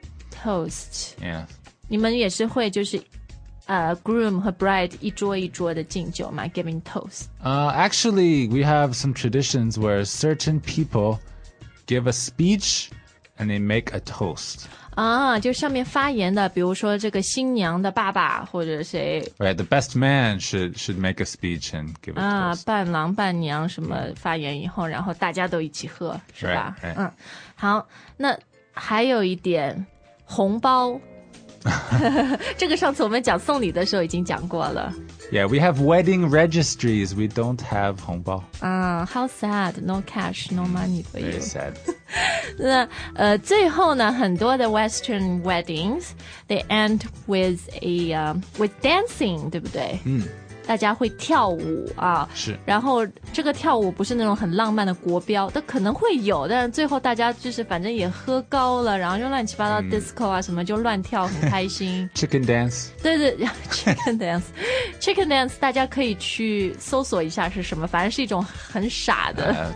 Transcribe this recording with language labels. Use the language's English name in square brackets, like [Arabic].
[English] toast yeah， [Chinese] 你们也是会就是groom 和 bride 一桌一桌的敬酒吗？ [English] giving toast actually we have some traditions where certain people give a speech and they make a toast [Chinese] 就上面发言的，比如说这个新娘的爸爸或者谁。 [English] Right, the best man should make a speech and give a toast. [Chinese] 伴郎伴娘什么发言以后，然后大家都一起喝，是吧？ [English] Right, [Chinese] right. 好，那还有一点，红包。这个上次我们讲送礼的时候已经讲过了。 [English] Yeah, we have wedding registries. We don't have 红包。 How sad. No cash, no money for you. Very sad. [Chinese] 那最后呢，很多的 [English] Western weddings they end with with dancing， [Chinese] 对不对？大家会跳舞啊。是。然后这个跳舞不是那种很浪漫的国标，但可能会有，但最后大家就是反正也喝高了，然后就乱七八糟 disco 啊什么，就乱跳，很开心。 [English] Chicken dance。 [Chinese] 对对 ，Chicken dance， Chicken dance， 大家可以去搜索一下是什么，反正是一种很傻的，